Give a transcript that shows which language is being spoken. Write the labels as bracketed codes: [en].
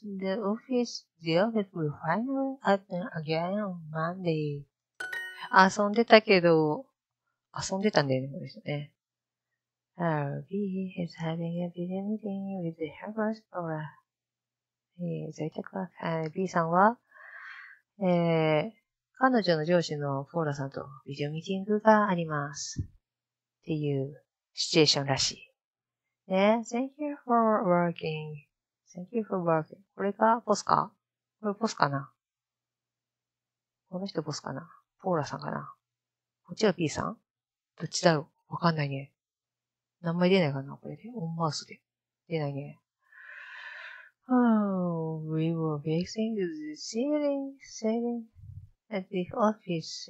[en] The office will finally open again on Monday. [ja] 遊んでたけど、遊んでたんだよね。 [en] B is having a video meeting with her boss, Paula. [ja] B さんは、彼女の上司のポーラさんとビデオミーティングがあります。っていうシチュエーションらしい。ね、 [en] Thank you for working. [ja] これがボスか？これボスかな？この人ボスかな？ポーラさんかな？こっちは B さん？どっちだろう？わかんないね。名前出ないかなこれで。オンマウスで。出ないね。 [en] We were fixing the ceiling at the office.